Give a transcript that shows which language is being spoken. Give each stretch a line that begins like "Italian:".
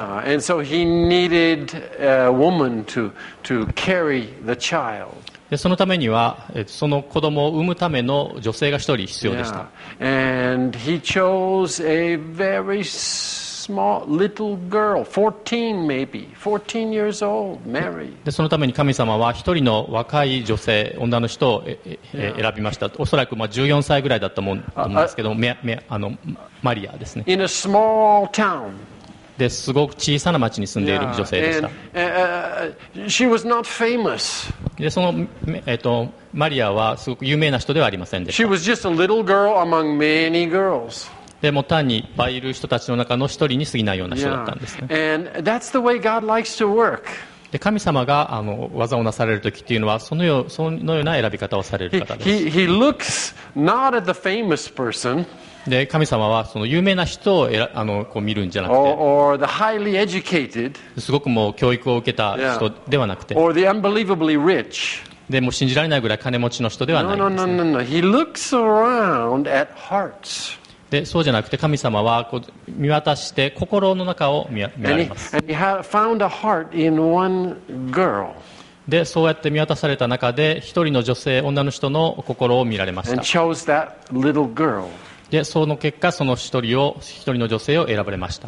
English: yeah, and so he needed a woman to carry the child.
Japanese: でそのためにはその子供を産むための女性が一人必要でした。
English: Yeah. And he chose a very small little girl, 14 maybe, 14 years old, Mary.
Japanese: でそのために神様は一人の若い女性、女の人を選びました。おそらくまあ14歳ぐらいだったと思うんですけど、マリアですね。
English: In a small town.
Japanese: ですごく小さな町に住んでいる女性でした。
English: She was not famous.
Japanese: でその、マリアはすごく有名な人ではありませんでした。
English: She was just a little girl among many girls.
Japanese: でも単にいっぱいいる人たちの中の一人に過ぎないような人だったんですね。
English: And that's the way God likes to work.
Japanese: で神様が技をなされるときというのはそのような選び方をされる方です。
English: He looks not at the famous person.
Japanese: で神様はその有名な人をこう見るんじゃなくて、
English: or the highly educated,
Japanese: すごくもう教育を受けた人ではなくて、
English: yeah, or the unbelievably rich.
Japanese: でも信じられないぐらい金持ちの人ではないんですね。
English: No. He looks around at hearts.
Japanese: でそうじゃなくて神様はこう見渡して心の中を見られます。
English: and he found a heart in one girl.
Japanese: でそうやって見渡された中で一人の女性、女の人の心を見られました。でその結果その一人の女性を選ばれました。